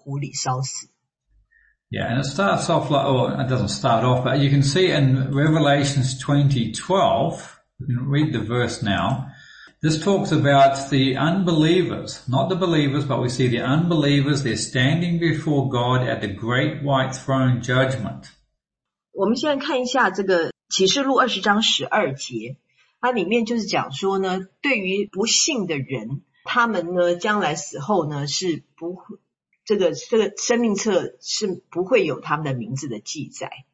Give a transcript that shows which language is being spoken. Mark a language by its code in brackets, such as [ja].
[zh] 这个启示录里面第二十章所提到的，就是说，如果你的名字不在生命册里头，你最后呢，你的人生的结局就是后面会到这个，最后会被丢进火湖里烧死。 [en] Yeah, and it starts off like, well, it doesn't start off, but you can see in Revelation 20:12, you can read the verse now. This talks about the unbelievers, not the believers, but we see the unbelievers, they're standing before God at the great white throne judgment. [zh] 我们现在看一下这个启示录20章12节，它里面就是讲说呢，对于不信的人，他们呢，将来死后呢，是不，这个生命册是不会有他们的名字的记载。